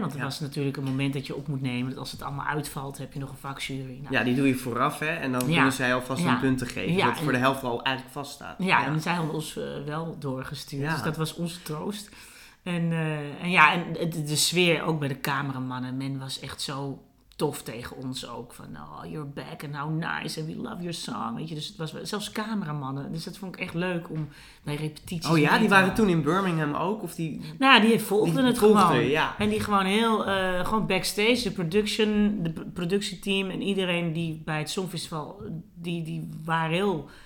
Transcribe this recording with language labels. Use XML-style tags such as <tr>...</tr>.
<nl>Want het was natuurlijk een moment dat je op moet nemen. Dat als het allemaal uitvalt, heb je nog een vakjury. Nou, ja, die doe je vooraf, hè? En dan kunnen zij alvast hun punten geven. Ja, dat voor de helft al eigenlijk vaststaat. Ja, en zij hadden ons wel doorgestuurd. Ja. Dus dat was onze troost. En de sfeer ook bij de cameramannen. Men was echt zo tof tegen ons ook. Van,</nl> <en>oh, you're back and how nice and we love your song.</en> <nl>Weet je, dus het was zelfs cameramannen. Dus dat vond ik echt leuk om bij repetities. Oh ja, die waren toen in Birmingham ook? Of die, nou ja, die volgden het gewoon. En die gewoon heel, gewoon backstage, de productieteam en iedereen die bij het Songfestival, die waren heel...</nl>